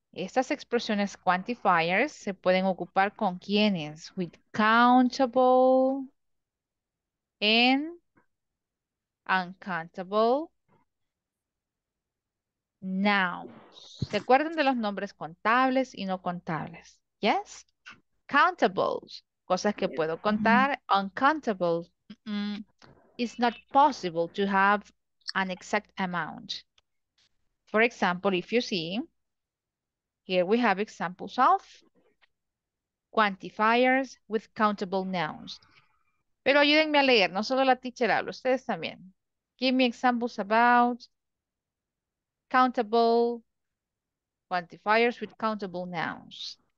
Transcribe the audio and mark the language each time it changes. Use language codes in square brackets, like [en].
[es] Estas expresiones quantifiers se pueden ocupar con quienes? [en] With countable and uncountable nouns. [es] ¿Se acuerdan de los nombres contables y no contables? Yes. Countables, cosas que puedo contar. [en] Uncountable, it's not possible to have an exact amount. For example, if you see, here we have examples of quantifiers with countable nouns. [es] Pero ayúdenme a leer, no solo la teacher habla, ustedes también. [en] Give me examples about countable quantifiers with countable nouns.